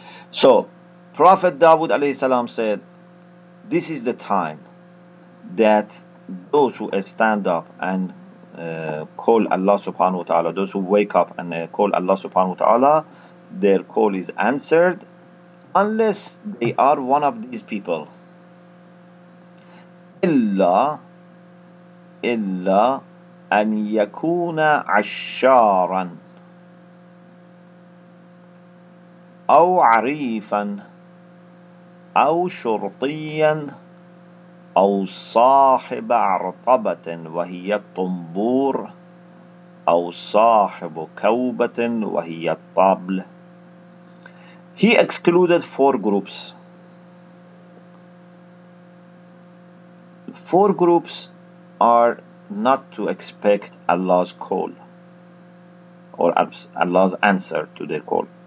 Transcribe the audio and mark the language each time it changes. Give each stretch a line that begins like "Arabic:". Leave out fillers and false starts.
English: So, Prophet Dawood alayhi salam said, this is the time that those who stand up and call Allah subhanahu wa ta'ala, those who wake up and call Allah subhanahu wa ta'ala, their call is answered, unless they are one of these people.
Arabic: Illa an yakuna asharan أو عريفا أو شرطيا أو صاحب عرطبة وهي الطنبور أو صاحب كوبة وهي الطبل.
English: He excluded four groups. Four groups are not to expect Allah's call or Allah's answer to their call.